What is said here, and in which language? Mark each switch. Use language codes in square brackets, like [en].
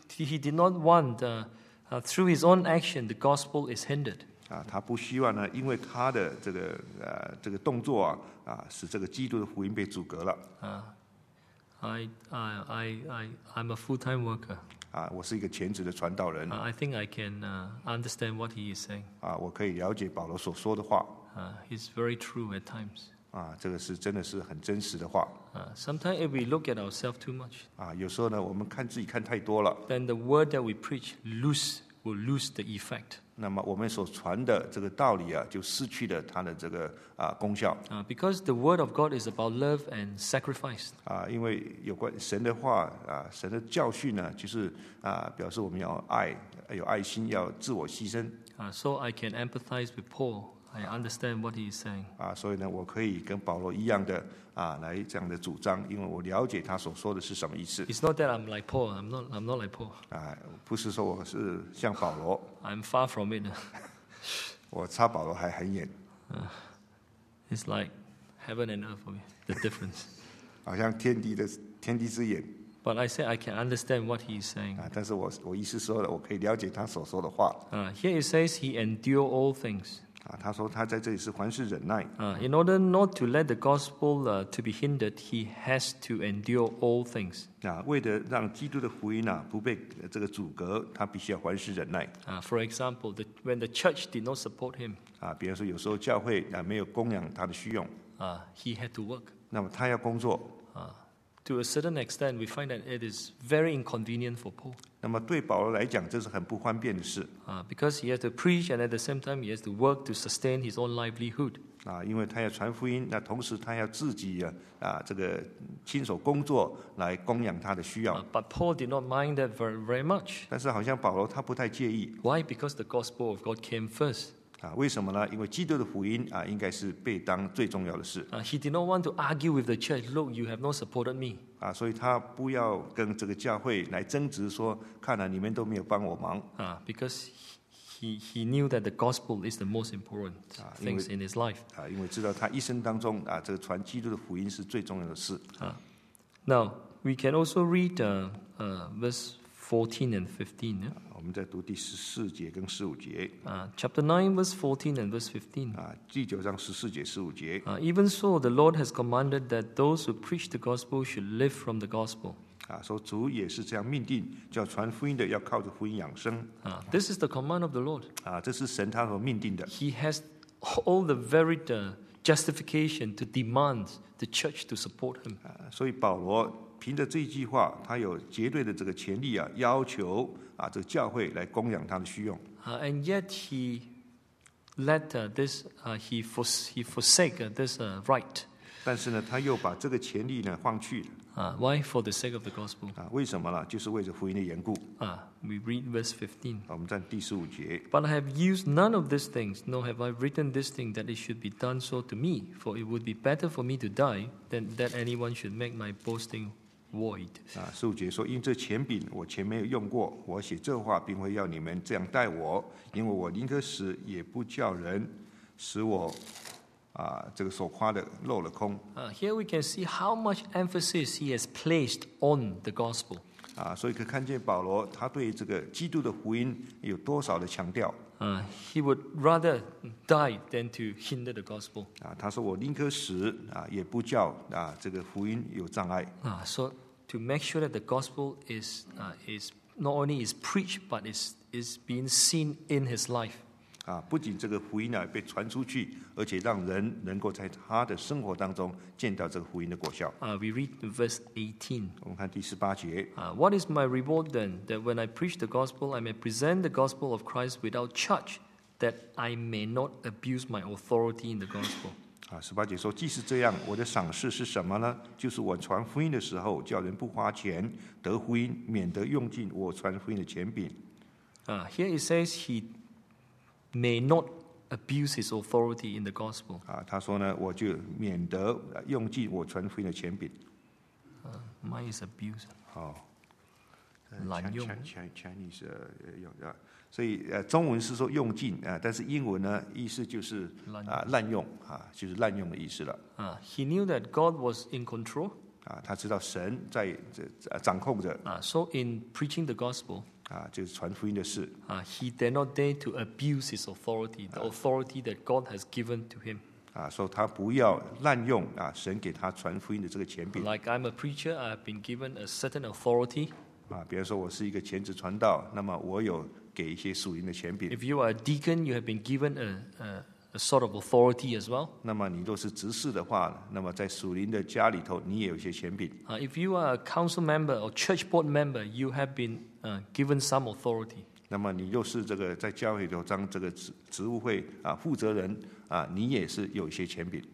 [en] He did not want through his own action the gospel is hindered. [zh] 他不希望呢，因为他的这个动作使这个基督的福音被阻隔了。 [en] I'm a full-time worker. [zh] 我是一个全职的传道人。 [en] I think I can understand what he is saying. [zh] 我可以了解保罗所说的话。 [en] He's very true at times. [zh] 这个是真的是很真实的话。 [en] Sometimes if we look at ourselves too much. [zh] 有时候呢，我们看自己看太多了。 [en] Then the word that we preach will lose the effect. [zh] 那么我们所传的这个道理就失去了它的这个功效。 [en] Because the word of God is about love and sacrifice. [zh] 因为有关神的话神的教训呢，就是表示我们要爱，有爱心，要自我牺牲。 [en] So I can empathize with Paul. I understand what he is saying. [zh] 所以呢，我可以跟保罗一样的来这样的主张，因为我了解他所说的是什么意思。 [en] It's not that I'm like Paul. I'm not like Paul. [zh] 不是说我是像保罗。 [en] I'm far from it. [zh] 我差保罗还很远。 [en] It's like heaven and earth for me, the difference. [zh] 好像天地的天地之眼。 [en] But I say I can understand what he is saying. [zh] 但是我意思说的，我可以了解他所说的话。 [en] Here it says he endure all things. [zh] 他说他在这里是凡事忍耐。 [en] In order not to let the gospel to be hindered, he has to endure all things. [zh] 为了让基督的福音不被这个阻隔，他必须要凡事忍耐。 [en] For example, when the church did not support him. [zh] 比如说有时候教会没有供养他的需用。 [en] He had to work. [zh] 那么他要工作。 [en] To a certain extent, we find that it is very inconvenient for Paul. [zh] 那么对保罗来讲，这是很不方便的事。 [en] Because he has to preach and at the same time he has to work to sustain his own livelihood. [zh] 因为他要传福音，那同时他要自己这个亲手工作来供养他的需要。 [en] But Paul did not mind that very much. [zh] 但是好像保罗他不太介意。 [en] Why? Because the gospel of God came first. [zh] 为什么呢？因为基督的福音应该是被当最重要的事。 [en] He did not want to argue with the church. Look, you have not supported me. [zh] 所以他不要跟这个教会来争执，说看你们都没有帮我忙。 [en] Because he knew that the gospel is the most important things in his life. [zh] 因为知道他一生当中这个传基督的福音是最重要的事。 [en] Now we can also read verse 14 and 15.、Yeah? [zh] 我们再读第十四节跟十五节。 [en] Chapter 9, verse 14 and verse 15. [zh] 第九章十四节、十五节。 [en] Even so, the Lord has commanded that those who preach the gospel should live from the gospel. [zh] 说主也是这样命定，叫传福音的要靠着福音养生。 [en] This is the command of the Lord. [zh] 这是神他所命定的。 [en] He has all the varied justification to demand the church to support him. [zh] 所以保罗凭着这一句话，他有绝对的这个权利要求这个教会来供养他的需用。 [en] And yet he let this, he forsake this right. [zh] 但是呢，他又把这个权利呢放去了。 [en] Why? For the sake of the gospel. [zh] 为什么呢？就是为着福音的缘故。 [en] We read verse 15. [zh] 我们在第十五节。 [en] But I have used none of these things, nor have I written this thing that it should be done so to me, for it would be better for me to die than that anyone should make my boasting. Void. [zh] 十五节说，因这钱柄我前没有用过，我写这话并非要你们这样待我，因为我宁可死也不叫人使我这个所夸的漏了空。 [en] Here we can see how much emphasis he has placed on the gospel. [zh] 所以可看见保罗他对这个基督的福音有多少的强调。 [en] He would rather die than to hinder the gospel. [zh] 他说我宁可死也不叫这个福音有障碍。 [en] So to make sure that the gospel is not only is preached but is being seen in his life. [zh] 不仅这个福音被传出去，而且让人能够在他的生活当中见到这个福音的果效。 [en] We read verse 18. [zh] 我们看第十八节。 [en] What is my reward then, that when I preach the gospel, I may present the gospel of Christ without charge, that I may not abuse my authority in the gospel? [zh] 十八节说，即使这样，我的赏赐是什么呢？就是我传福音的时候，叫人不花钱得福音，免得用尽我传福音的权柄。 [en] Here it says he. May not abuse his authority in the gospel. [zh] 他说呢，我就免得用尽我传福音的权柄。 [en] Mine is abuse. [zh] 滥用。 Chinese 用啊，所以中文是说用尽但是英文呢，意思就是滥用就是滥用的意思了。 [en] He knew that God was in control. [zh] 他知道神在掌控着。 [en] So in preaching the gospel. [zh] 就是传福音的事。 [en] He dare not dare to abuse his authority, the authority that God has given to him. [zh] 所以他不要滥用神给他传福音的这个权柄。 [en] Like I'm a preacher, I've been given a certain authority. [zh] 比如说我是一个全职传道，那么我有给一些属灵的权柄。 [en] If you are a deacon, you have been given a sort of authority as well. [zh] 那么你若是执事的话，那么在属灵的家里头，你也有一些权柄。 [en] If you are a council member or church board member, you have beenGiven some authority. [zh] 那么你又是这个在教会里头当这个职务会负责人你也是有一些权柄。